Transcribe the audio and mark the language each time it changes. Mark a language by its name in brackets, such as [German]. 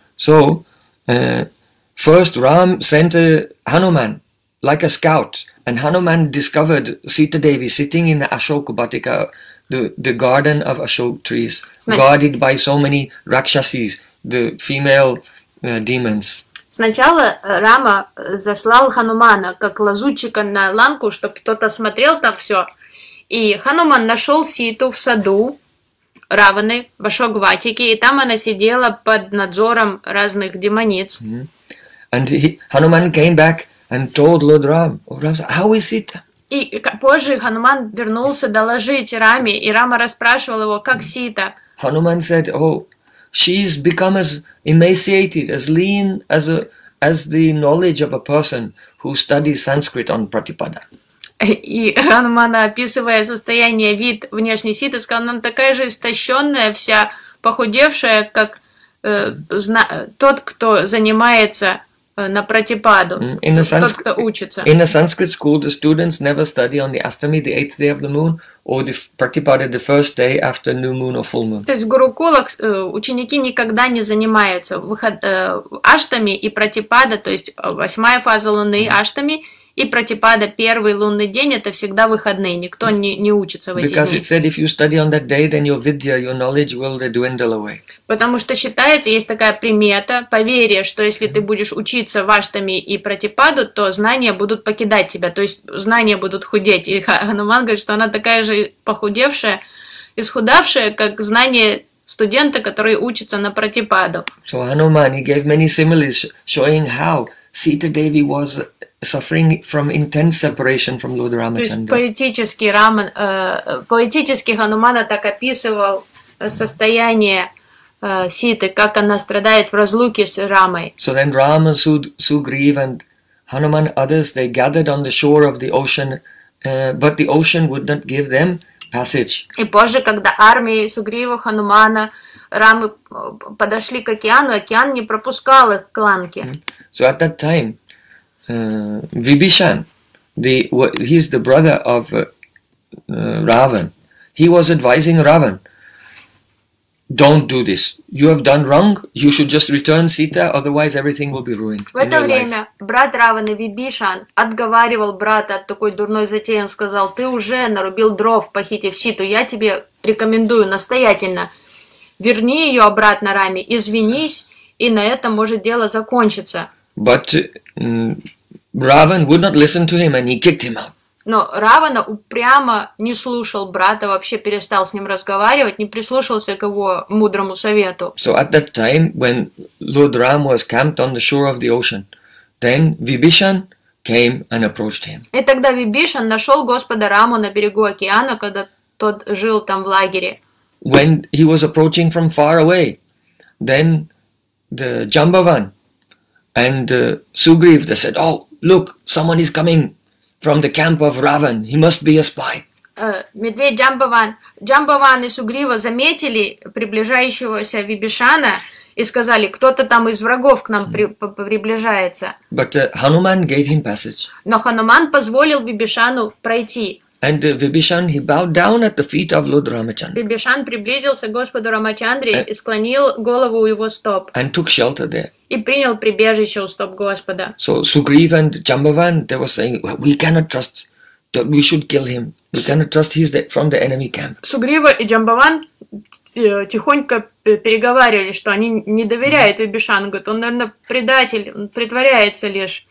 [English] So, first Ram sent Hanuman like a scout, and Hanuman discovered Sita Devi sitting in the Ashok Vatika, the garden of Ashok trees, guarded by so many Rakshasis, the female demons. [Russian] Сначала Рама заслал Ханумана как лазутчика на Ланку, чтобы кто-то смотрел там все. И Хануман нашел Ситу в саду Раваны в Ашоквати, и там она сидела под надзором разных демониц. [English] And Hanuman came back and told Lord Ram, how is Sita? [Russian] И позже Хануман вернулся доложить Раме, и Рама расспрашивал его, как Сита. [English] Hanuman said, oh, she's become as emaciated, as lean as the knowledge of a person who studies Sanskrit on Pratipada. [Russian] И Ханумана, описывая состояние, вид внешней Ситы, сказал, она такая же истощенная, вся похудевшая, как тот, кто занимается на Пратипаду, кто учится. [English] In a Sanskrit school, the students never study on the Astami, the eighth day of the moon, or the Pratipada, the first day after new moon or full moon. [Russian] То есть в гурукулах ученики никогда не занимаются Аштами и Пратипада, то есть восьмая фаза луны Аштами и Пратипада, первый лунный день, это всегда выходные, никто не учится в эти дни. [English] Because it said if you study on that day, then your vidya, your knowledge will dwindle away. [Russian] Потому что считается, есть такая примета, поверье, что если ты будешь учиться в Аштами и Пратипаду, то знания будут покидать тебя, то есть знания будут худеть. И Хануман говорит, что она такая же похудевшая, исхудавшая, как знания студента, который учится на Пратипаду. [English] So Hanuman, he gave many similes showing how Sita Devi was suffering from intense separation from Lord Ramachandra. [Russian] То есть поэтически Раман, поэтически Ханумана так описывал состояние Ситы, как она страдает в разлуке с Рамой. [English] So then Rama, Sugriva and Hanuman, others, they gathered on the shore of the ocean, but the ocean would not give them passage. [Russian] И позже, когда армии Сугрива, Ханумана, Рамы подошли к океану, океан не пропускал их к Ланке. [English] So at that time, Vibhishan, he's the brother of Ravan. He was advising Ravan, don't do this. You have done wrong. You should just return Sita, otherwise everything will be ruined. [Russian] В это время брат Раваны Вибишан отговаривал брата от такой дурной затеи. Он сказал: "Ты уже нарубил дров, похитив Ситу. Я тебе рекомендую настоятельно верни ее обратно Раме, извинись, и на этом может дело закончиться." [English] But Ravan would not listen to him, and he kicked him out. [Russian] Но Равана упрямо не слушал брата, вообще перестал с ним разговаривать, не прислушался к его мудрому совету. [English] So at that time, when Lord Ram was camped on the shore of the ocean, then Vibhishan came and approached him. [Russian] И тогда Вибишан нашел Господа Раму на берегу океана, когда тот жил там в лагере. [English] When he was approaching from far away, then the Jambavan and Sugriv, they said, "Oh, look, someone is coming from the camp of Ravan. He must be a spy." [Russian] Медведь Джамбаван и Сугрива заметили приближающегося Вибишана и сказали: "Кто-то там из врагов к нам приближается." [English] But Hanuman gave him passage. [Russian] Но Хануман позволил Вибишану пройти. [English] And Vibhishan, he bowed down at the feet of Lord Ramachandra. [Russian] Вибишан приблизился к Господу Рамачандре и склонил голову у его стоп. [English] And took shelter there. [Russian] И принял прибежище у стоп Господа. [English] So Sugriva and Jambavan, they were saying, "We cannot trust that, we should kill him. We cannot trust he's from the enemy camp." [Russian] Сугрива и Джамбаван тихонько переговаривали, что они не доверяют Вибишану. Говорят, он, наверное, предатель, он притворяется лишь.